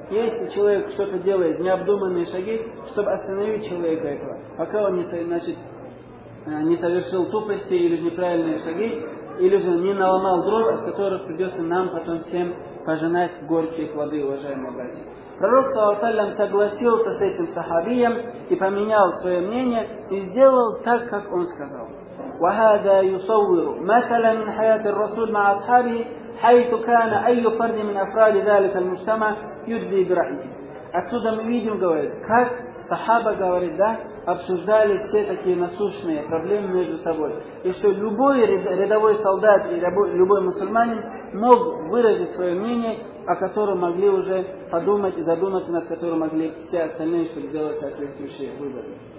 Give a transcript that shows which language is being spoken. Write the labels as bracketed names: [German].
[Russian] Если человек что-то делает, необдуманные шаги, чтобы остановить человека этого, пока он не, значит, не совершил тупости или неправильные шаги, или же не наломал дров, от которых придется нам потом всем пожинать горькие плоды, уважаемые братья. Пророк, саллаллаху алейхи ва саллям, согласился с этим сахабием и поменял свое мнение и сделал так, как он сказал. [Arabic] وهذا يصور مثلا من حياة الرسول مع أصحابه حيث كان أي فرد من أفراد ذلك المجتمع يدلي برأيه. [Russian] Отсюда мы видим, говорит, как сахаба, говорит, да, обсуждали все такие насущные проблемы между собой. И что любой рядовой солдат и любой мусульманин мог выразить свое мнение, о котором могли уже подумать и задуматься, над которым могли все остальные, чтобы сделать соответствующие выборы.